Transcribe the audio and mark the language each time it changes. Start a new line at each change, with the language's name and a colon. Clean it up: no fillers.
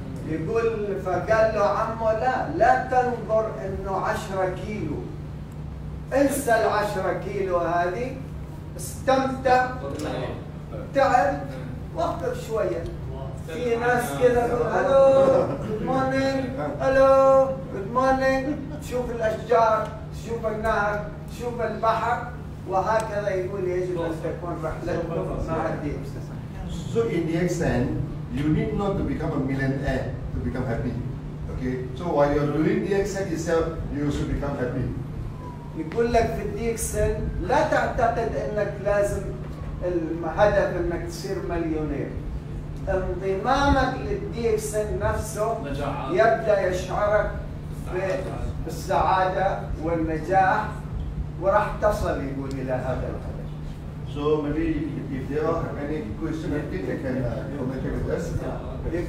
Arabic: يقول فقال له عمه لا تنظر انه 10 كيلو انسى ال 10 كيلو هذه استمتع تعب وقف شويه في ناس كذا
English: hello good morning hello good morning
Arabic: تشوف الاشجار تشوف النهر تشوف البحر وهكذا يقول يجب ان تكون رحلتك مع الدين
English: So in the extent you need not to become a millionaire to become happy. Okay? So while you're doing the DXN itself, you should become happy.
Arabic: يقول لك في DXN لا تعتقد انك لازم الهدف انك تصير مليونير. انضمامك للDXN نفسه يبدا يشعرك بالسعادة والنجاح وراح تصل يقول الى هذا الهدف.
English: So maybe if there are any questions, they can communicate with us.